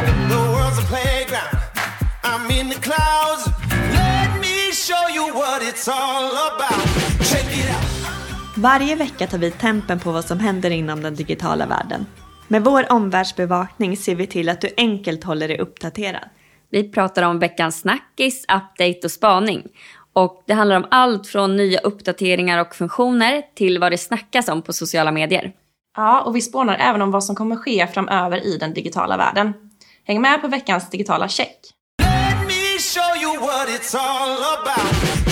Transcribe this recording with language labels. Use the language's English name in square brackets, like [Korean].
[English] The world's a playground. I'm in the clouds. Let me show you what it's all about. Check it out. [Swedish] Varje vecka tar vi tempen på vad som händer inom den digitala världen. Med vår omvärldsbevakning ser vi till att du enkelt håller dig uppdaterad. Vi pratar om veckans snackis, update och spaning. Och det handlar om allt från nya uppdateringar och funktioner till vad det snackas om på sociala medier. Ja, och vi spånar även om vad som kommer ske framöver i den digitala världen. Häng med på veckans digitala check. [English] Let me show you what it's all about.